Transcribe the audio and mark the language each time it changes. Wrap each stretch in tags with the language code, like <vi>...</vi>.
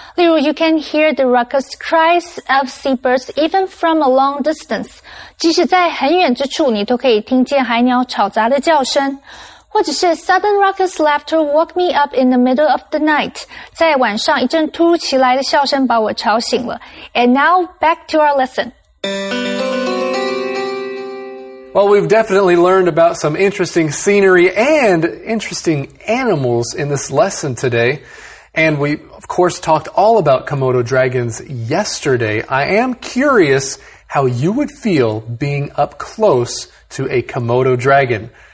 <zh>例如</zh> <en>,you can hear the ruckus cries of seabirds even from a long distance.</en> <zh>即使在很远之处你都可以听见海鸟吵杂的叫声。或者是</zh> <en>,sudden ruckus laughter woke me up in the middle of the night.</en> <zh>在晚上一阵突如其来的笑声把我吵醒了。</zh> <en>And now, back to our lesson. Well, we've definitely learned about some interesting scenery and interesting animals in this lesson today. And we, of course, talked all about Komodo dragons yesterday. I am curious how you would feel being up close to a Komodo dragon.</en>